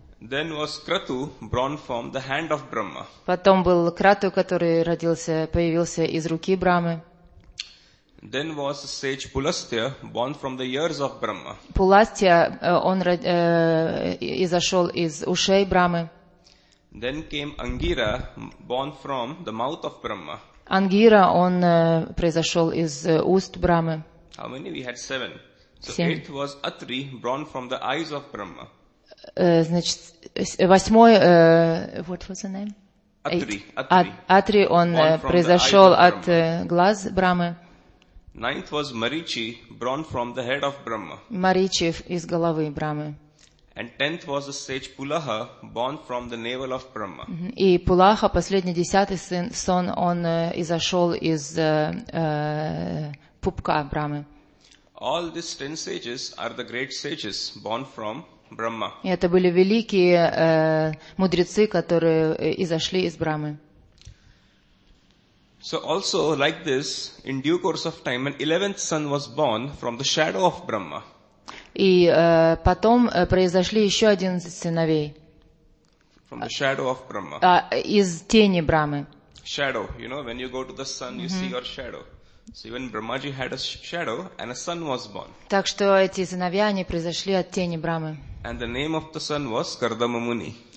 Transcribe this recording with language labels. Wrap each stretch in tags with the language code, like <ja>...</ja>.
<en>Then was Kratu, born from the hand of Brahma.</en> <ru>Потом был Крату, который родился, появился из руки Брахмы.</ru> <en>Then was sage Pulastya, born from the ears of Brahma.</en> <ru>Пуластья, он изошел из ушей Брахмы.</ru> <en>Then came Angira, born from the mouth of Brahma.</en> <ru>Ангира, он произошел из уст Брахмы.</ru> <en>How many? We had 7. So 7. Eighth was Atri, born from the eyes of Brahma.</en> <ru>Значит, восьмой,</ru> <en>what was the name? Atri,</en> <ru>он произошел от глаз Брахмы.</ru> <en>Ninth was Marichi, born from the head of Brahma.</en> <ru>Marichi, из головы Брахмы.</ru> <en>And tenth was the sage Pulaha, born from the navel of Brahma.</en> <ru>И Пулаха, последний десятый сын, сон, он изошел из пупка Брахмы.</ru> <en>All these 10 sages are the great sages born from Brahma.</en> <ru>И это были великие мудрецы, которые изошли из Брахмы.</ru> <en>So also like this, in due course of time, an 11th son was born from the shadow of Brahma.</en> <ru>И потом произошли еще 11 сыновей.</ru> <en>From the shadow of Brahma.</en> <ru>Из тени Брахмы.</ru> <en>Shadow, you know, when you go to the sun, you see your shadow. So even Brahmaji had a shadow, and a son was born.</en> <ru>Так что эти сыновья, они произошли от тени Брахмы.</ru> <en>And the name of the son was Kardama Muni.</en>